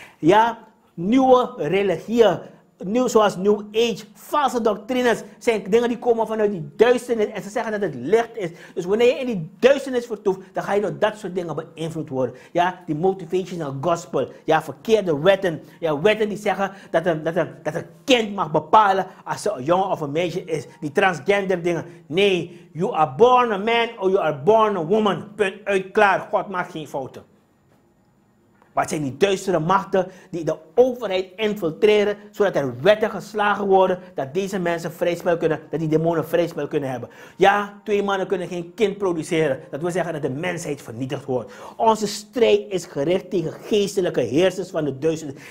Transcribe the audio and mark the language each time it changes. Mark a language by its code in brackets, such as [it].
[nl] Ja, nieuwe religieën. Nieuw zoals New Age, valse doctrines, zijn dingen die komen vanuit die duisternis en ze zeggen dat het licht is. Dus wanneer je in die duisternis vertoeft, dan ga je door dat soort dingen beïnvloed worden. Ja, die [en] motivational gospel, [nl] ja, verkeerde wetten. Ja, wetten die zeggen dat een kind mag bepalen als ze een jongen of een meisje is. Die transgender dingen. [en] Nee, you are born a man or you are born a woman. [nl] Punt uit, klaar. God maakt geen fouten. Wat zijn die duistere machten die de overheid infiltreren, zodat er wetten geslagen worden dat deze mensen vrijspel kunnen, dat die demonen vrijspel kunnen hebben. Ja, twee mannen kunnen geen kind produceren. Dat wil zeggen dat de mensheid vernietigd wordt. Onze strijd is gericht tegen geestelijke heersers van de duisternis.